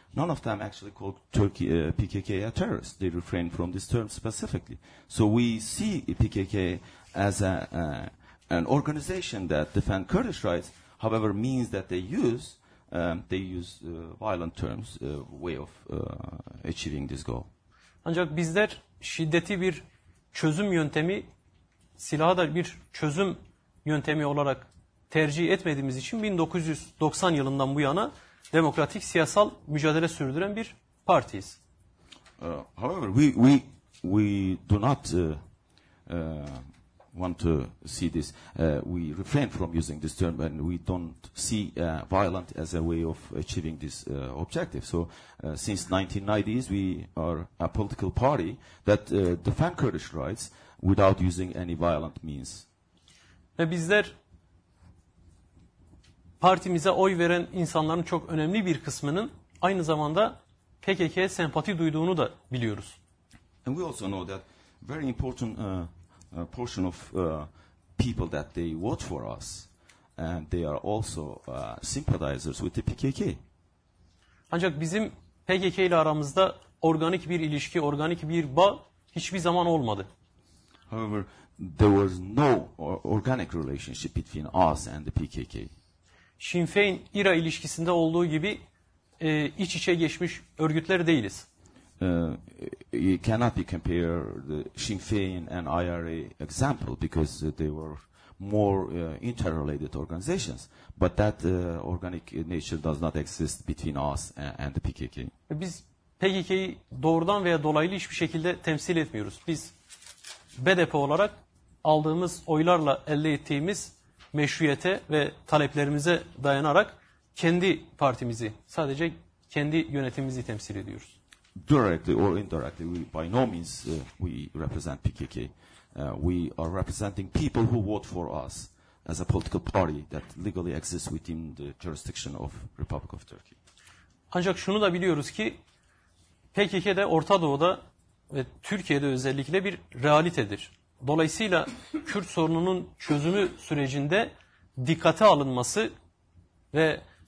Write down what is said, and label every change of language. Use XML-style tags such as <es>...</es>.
<en>None of them actually called Turkey PKK a terrorist. They refrain from this term specifically. So we see PKK as an organization that defend Kurdish rights, however, means that they use violent terms, way of achieving this goal.</en> <tr>Ancak bizler şiddeti bir çözüm yöntemi, silahı da bir çözüm yöntemi olarak tercih etmediğimiz için 1990 yılından bu yana demokratik siyasal mücadele sürdüren bir partiyiz.</tr> <en>However, we do not want to see this. We refrain from using this term, and we don't see violent as a way of achieving this objective. So, since 1990s, we are a political party that defend Kurdish rights without using any violent means.</en> <tr>Ve bizler partimize oy veren insanların çok önemli bir kısmının aynı zamanda PKK'ye sempati duyduğunu da biliyoruz.</tr> <en>And we also know that very important portion of people that they vote for us and they are also sympathizers with the PKK.</en> <tr>Ancak bizim PKK ile aramızda organik bir ilişki, organik bir bağ hiçbir zaman olmadı.</tr> <en>However, there was no organic relationship between us and the PKK.</en> <tr>Sinn Féin IRA ilişkisinde olduğu gibi iç içe geçmiş örgütler değiliz.</tr> <en>You cannot be compare the Sinn Féin and IRA example because they were more interrelated organizations, but that organic nature does not exist between us and the PKK.</en> <tr>Biz PKK'yı doğrudan veya dolaylı hiçbir şekilde temsil etmiyoruz. Biz BDP olarak aldığımız oylarla elde ettiğimiz meşruiyete ve taleplerimize dayanarak kendi partimizi, sadece kendi yönetimimizi temsil ediyoruz.</tr> <en>Directly or indirectly, we represent PKK. We are representing people who vote for us as a political party that legally exists within the jurisdiction of Republic of Turkey.</en> <tr>Ancak şunu da biliyoruz ki PKK de Orta Doğu'da ve Türkiye'de özellikle bir realitedir. Dolayısıyla Kürt sorununun çözümü sürecinde dikkate alınması ve</tr>